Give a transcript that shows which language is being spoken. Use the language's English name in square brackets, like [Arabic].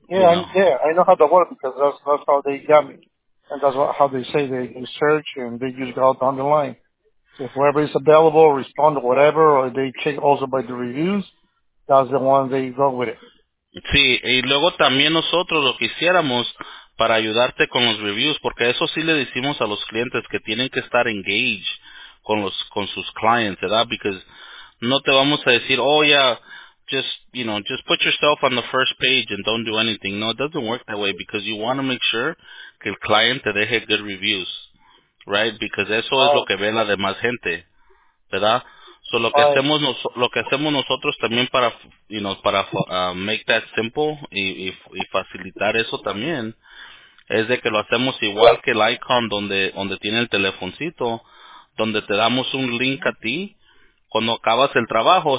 [English] Yeah, I know how to work because that's how they got me. And that's how they say they search and they just go down the line. So if whoever is available, respond to whatever, or they check also by the reviews, that's the one they go with it. [Spanish] Sí, y luego también nosotros lo que hiciéramos para ayudarte con los reviews, porque eso sí le decimos a los clientes que tienen que estar engaged con sus clientes, ¿verdad? [English] Because [Spanish] no te vamos a decir, [English] oh yeah, just put yourself on the first page and don't do anything. No, it doesn't work that way, because you want to make sure [Spanish] que el cliente deje [English] good reviews, right? [Spanish] Because eso es lo que ve la demás gente, ¿verdad? So lo que hacemos nosotros también para para [English] make that simple [Spanish] y facilitar eso también es de que lo hacemos igual que el icon donde tiene el telefoncito, donde te damos un link a ti cuando acabas el trabajo.